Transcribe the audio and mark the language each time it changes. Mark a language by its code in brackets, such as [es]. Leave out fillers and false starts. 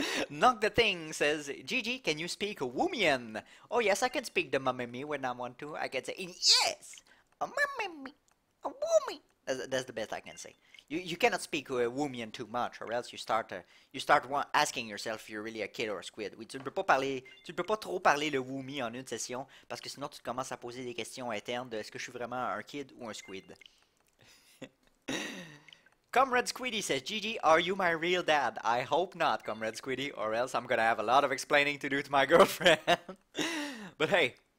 [en] Knock the thing says, Gigi, can you speak Woomian? Oh yes, I can speak the mamemi when I want to. I can say, yes, a mamemi, a woomie. That's the best I can say. You cannot speak Woomian too much, or else you start asking yourself if you're really a kid or a squid. [fr] Oui, tu ne peux pas trop parler le Woomie en une session, parce que sinon tu commences à poser des questions internes de est-ce que je suis vraiment un kid ou un squid. [en] Comrade Squiddy says, Gigi, are you my real dad? I hope not, Comrade Squiddy, or else I'm gonna have a lot of explaining to do to my girlfriend. But hey.